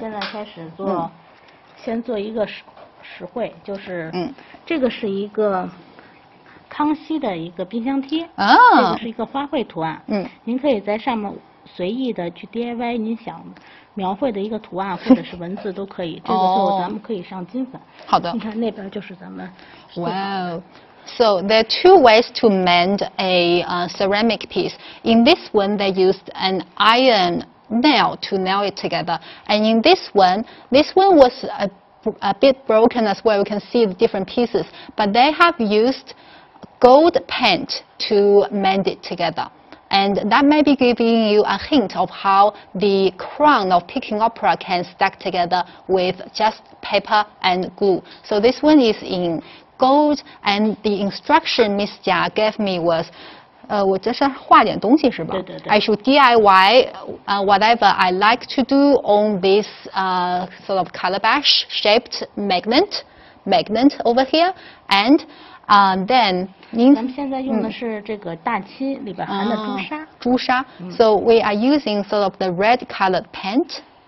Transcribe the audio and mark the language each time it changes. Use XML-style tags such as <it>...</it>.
<zh>我们现在开始做，先做一个实惠，就是，这个是一个康熙的一个冰箱贴，啊，这个是一个花卉图案，您可以在上面随意的去 DIY 您想描绘的一个图案或者是文字都可以，这个最后咱们可以上金粉。好的。你看那边就是咱们。哇哦。</zh> <en>So there are two ways to mend a ceramic piece. In this one, they used an iron. Nail to nail it together, and in this one was a bit broken as well. We can see the different pieces, but they have used gold paint to mend it together, and that may be giving you a hint of how the crown of Peking Opera can stack together with just paper and glue. So this one is in gold, and the instruction Miss Jia gave me was.</en> <zh>我这是画点东西是吧？对对对。</zh> <en>I should DIY whatever I like to do on this sort of calabash shaped magnet over here, and then</en> <zh>您咱们现在用的是这个大漆里边含的朱砂。朱砂。</zh> <en>So we are using sort of the red colored paint.</en>